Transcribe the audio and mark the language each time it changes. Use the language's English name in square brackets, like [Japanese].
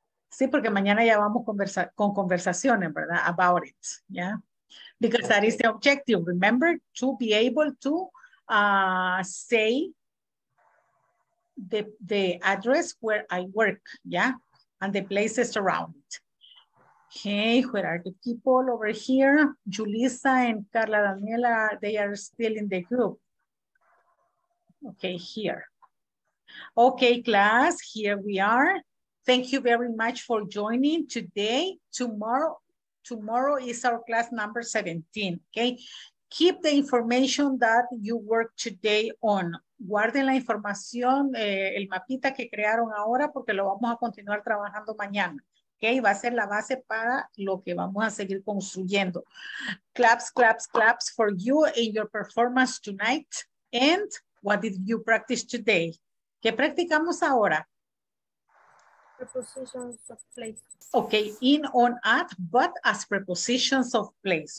[Spanish] Sí, porque mañana ya vamos con conversaciones, ¿verdad? [English] About it, yeah. Because okay. That is the objective, remember, to be able to say the address where I work, yeah, and the places around it. Hey, where are the people over here? Julissa and Carla Daniela, they are still in the group. Okay, here. Okay, class, here we are. Thank you very much for joining today. Tomorrow is our class number 17, okay? Keep the information that you work today on. [Spanish] Guarden la información, el mapita que crearon ahora, porque lo vamos a continuar trabajando mañana. Okay, va a ser la base para lo que vamos a seguir construyendo. [English] Claps, claps, claps for you and your performance tonight. And what did you practice today? ¿Qué practicamos ahora? Prepositions of place. Okay, in, on, at, but as prepositions of place.